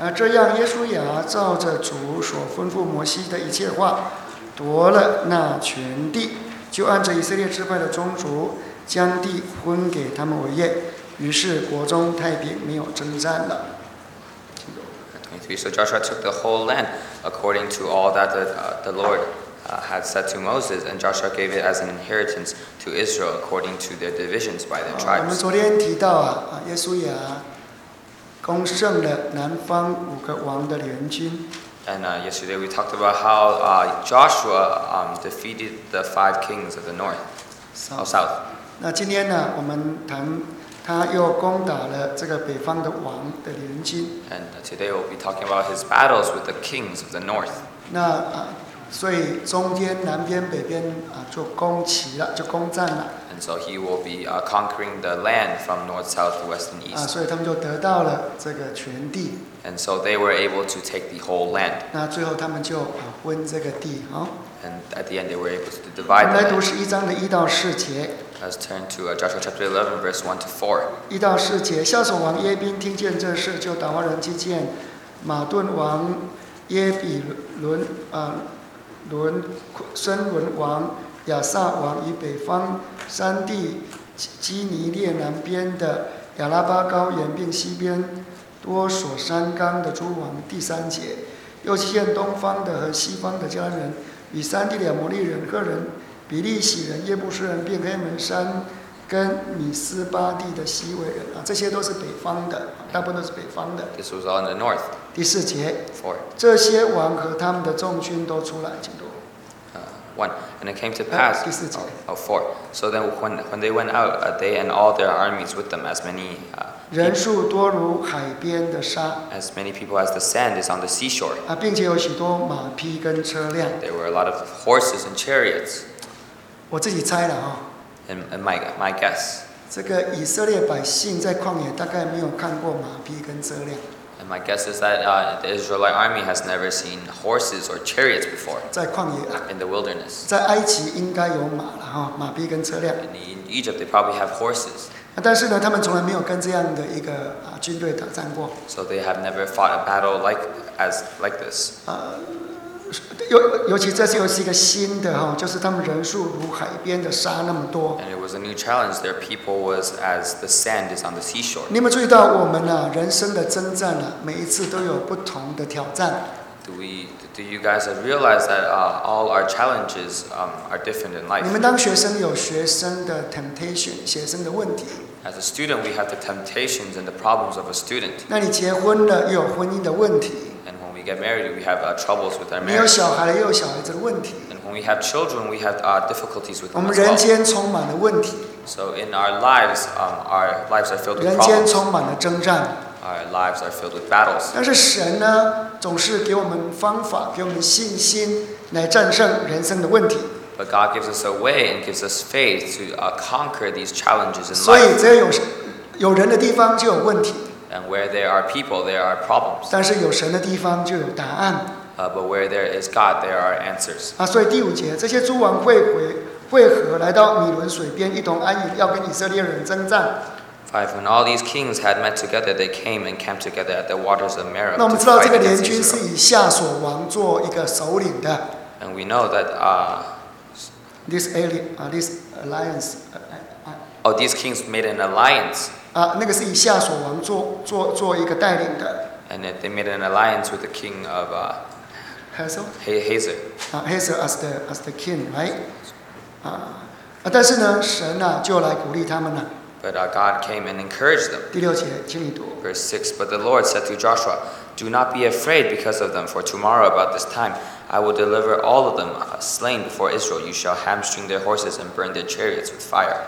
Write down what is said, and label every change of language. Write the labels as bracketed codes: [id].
[zh] 这样耶稣雅照着主所吩咐摩西的一切话，夺了那全地，就按着以色列支派的宗族，将地分给他们为业。于是国中太平，没有征战了。 [en] 23. So Joshua took the whole land according to all that the Lord. Had said to Moses, and Joshua gave it as an inheritance to Israel according to their divisions by their tribes. [zh] 我们昨天提到耶稣雅攻胜了南方五个王的联军。 [en] And yesterday we talked about how Joshua defeated the five kings of the north, or south. [zh] 那今天呢，我们谈他又攻打了这个北方的王的联军。 [en] And today we'll be talking about his battles with the kings of the north. [zh] 那所以中间南边北边就攻齐了，就攻占了。 [en] And so he will be conquering the land from north, south, west, and east. [zh] 所以他们就得到了这个全地。 [en] And so they were able to take the whole land. [zh] 那最后他们就分这个地哈。 [en] And at the end, they were able to divide. [zh] 我们来读11:1-4。 [en] Let's turn to Joshua chapter 11, verse 1-4. [zh] 1-4，夏所王耶宾听见这事，就打发人去见马顿王耶比伦伦孙文王亚萨王与北方山地基尼列南边的亚拉巴高原并西边多所山冈的诸王。第三节，又去见东方的和西方的迦南人与山地的亚摩利人、赫人、比利洗人、耶布斯人并黑门山跟米斯巴地的西尾人，这些都是北方的，大部分都是北方的。 [en] This was all in the north. [zh] 第四节。 [en] Four. [zh] 这些王和他们的众军都出来，请读。 [en] One. And it came to pass. [zh] 第四节。 [en] Four. So then when they went out, they and all their armies with them, as many. [zh] 人数多如海边的沙。 [en] As many people as the sand is on the seashore. [zh] 并且有许多马匹跟车辆。 [en] There were a lot of horses and chariots. [zh] 我自己猜的。 [en] And my guess. [zh] 这个以色列百姓在旷野大概没有看过马匹跟车辆。 [en] And my guess is that the Israelite army has never seen horses or chariots before. [zh] 在旷野。 [en] In the wilderness. [zh] 在埃及应该有马了哈，马匹跟车辆。 [en] And in Egypt, they probably have horses. [zh] 但是呢，他们从来没有跟这样的一个军队打仗过。 [en] So they have never fought a battle like this. [zh] 尤其这次又是一个新的哈，就是他们人数如海边的沙那么多。 [en] And it was a new challenge. Their people was as the sand is on the seashore. [zh] 你有没有注意到我们人生的征战每一次都有不同的挑战。 [en] Do you guys have realized that all our challenges are different in life? [zh] 你们当学生有学生的 temptation， 学生的问题。 [en] As a student, we have the temptations and the problems of a student. [zh] 那你结婚了，又有婚姻的问题。 [en] We get married, we have troubles with our marriage. [zh] 没有小孩，也有小孩子的问题。 [en] And when we have children, we have difficulties with them. [zh] 我们人间充满了问题。 [en] So in our lives are filled with problems. [zh] 人间充满了征战。 [en] Our lives are filled with battles. [zh] 但是神呢，总是给我们方法，给我们信心，来战胜人生的问题。 [en] But God gives us a way and gives us faith to conquer these challenges in life. [zh] 所以只要有人的地方就有问题。 [en] And where there are people, there are problems. [zh] 但是有神的地方就有答案。 [en] But where there is God, there are answers. [zh] 所以第五节，这些诸王会合来到米伦水边，一同安营，要跟以色列人征战。 [en] Five. When all these kings had met together, they came and camped together at the waters of Meribah. [zh] 那我们知道这个联军是以夏所王做一个首领的。 [en] And we know that this alliance. These kings made an alliance. [zh] 那个是以夏所王 做一个带领的。 [en] And they made an alliance with the king of Hazor. Hazor as the king, right? [zh] 但是呢，神就来鼓励他们了。 [en] But God came and encouraged them. [zh] 第六节，请你读。 [en] Verse 6, but the Lord said to Joshua, do not be afraid because of them, for tomorrow about this time, I will deliver all of them slain before Israel. You shall hamstring their horses and burn their chariots with fire.